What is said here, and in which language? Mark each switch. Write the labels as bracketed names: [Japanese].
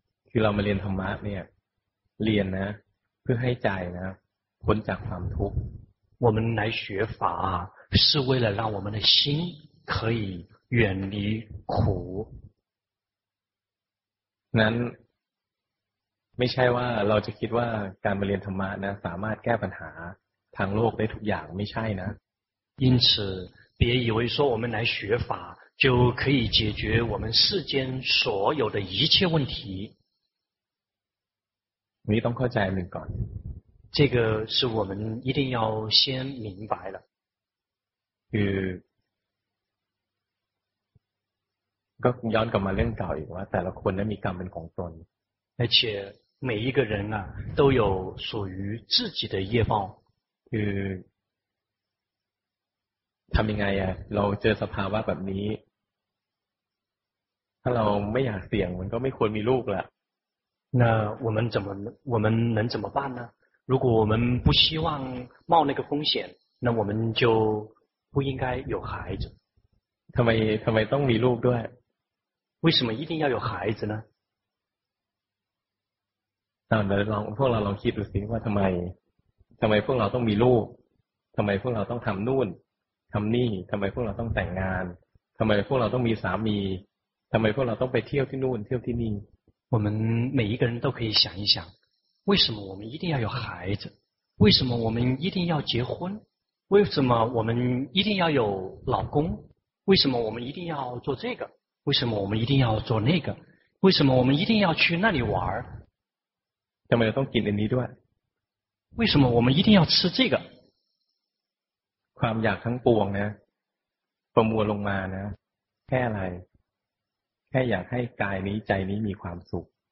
[Thai] คือเรามาเรียนธรรมะเนี่ยเรียนนะเพื่อให้ใจนะพ้นจากความทุกข์ [Chinese] 我们来学法是为了让我们的心可以远离苦 [Thai] นั้นไม่ใช่ว่าเราจะคิดว่าการมาเรียนธรรมะนะสามารถแก้ปัญหาทางโลกได้ทุกอย่างไม่ใช่นะ [Chinese] 因此别以为说我们来学法就可以解决我们世间所有的一切问题 [Thai] นี่ต้องเข้าใจหนึ่งก่อน [Chinese] 这个是我们一定要先明白的 [Thai] คือก็ย้อนกลับมาเรื่องเก่าอีกว่าแต่ละคนนั้นมีกรรมเป็นของตน [Chinese] 而且每一个人啊都有属于自己的业报 [Thai] คือทำยังไงอะเราเจอสภาวะแบบนี้ถ้าเราไม่อยากเสี่ยงมันก็ไม่ควรมีลูกละ [Chinese] 那我们能怎么办呢如果我们不希望冒那个风险，那我们就不应该有孩子。 [Thai] ทำไมต้องมีลูกด้วย？ [Chinese] 为什么一定要有孩子呢？那我们 [Thai] พวกเราลองคิดดูสิว่าทำไมพวกเราต้องมีลูกทำไมพวกเราต้องทำนู่นทำนี่ทำไมพวกเราต้องแต่งงานทำไมพวกเราต้องมีสามีทำไมพวกเราต้องไปเที่ยวที่นู่นเที่ยวที่นี่ [Chinese] 我们每一个人都可以想一想。为什么我们一定要有孩子？为什么我们一定要结婚？为什么我们一定要有老公？为什么我们一定要做这个？为什么我们一定要做那个？为什么我们一定要去那里玩？怎么要动筋的那段？为什么我们一定要吃这个？ [Thai] ความอยากทั้งปวงนะ ประมวลลงมานะ แค่อะไร แค่อยากให้กายนี้ใจนี้มีความสุข